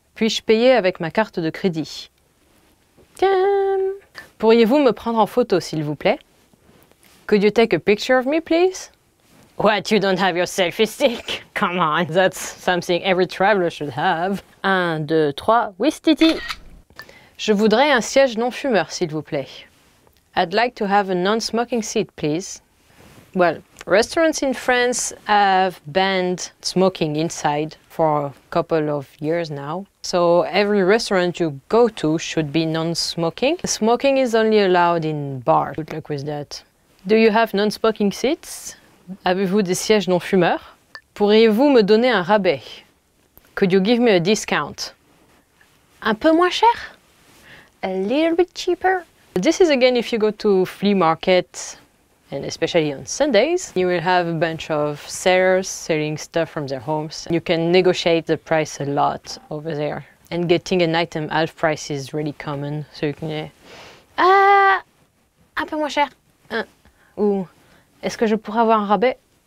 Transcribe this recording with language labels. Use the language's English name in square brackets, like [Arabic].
[French] Puis-je payer avec ma carte de crédit? Tiens! Pourriez-vous me prendre en photo, s'il vous plaît? [English] Could you take a picture of me, please? What, you don't have your selfie stick? Come on, that's something every traveler should have. [French] 1, 2, 3, oui, Titi! Je voudrais un siège non-fumeur, s'il vous plaît. [English] I'd like to have a non-smoking seat, please. Well, restaurants in France have banned smoking inside for a couple of years now. So every restaurant you go to should be non-smoking. Smoking is only allowed in bars. Good luck with that. Do you have non-smoking seats? [French] Avez-vous des sièges non-fumeurs? Pourriez-vous me donner un rabais? [English] Could you give me a discount? [French] Un peu moins cher? [English] A little bit cheaper? This is again if you go to flea market, and especially on Sundays, you will have a bunch of sellers selling stuff from their homes. You can negotiate the price a lot over there. And getting an item half price is really common, so you can say, [French] un peu moins cher. Ou, est-ce que je pourrais avoir un rabais?